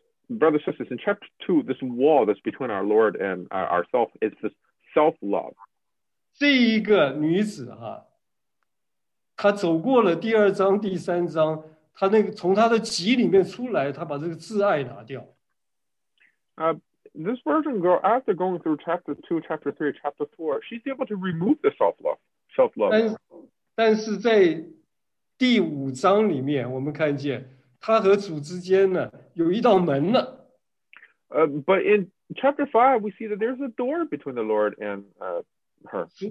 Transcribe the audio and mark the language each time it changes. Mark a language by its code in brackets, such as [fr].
[en] Brothers and sisters, in chapter 2, this wall that's between our Lord and ourselves is this self-love。 [zh] 这一个女子，她走过了第二章、第三章，她从她的脊里面出来，她把这个自爱拿掉。 [en] This virgin girl, after going through chapter 2, chapter 3, chapter 4, she's able to remove the self-love. [zh] 但是在第五章里面，我们看见她和主之间呢，有一道门了。 [en] But in chapter 5, we see that there's a door between the Lord and her.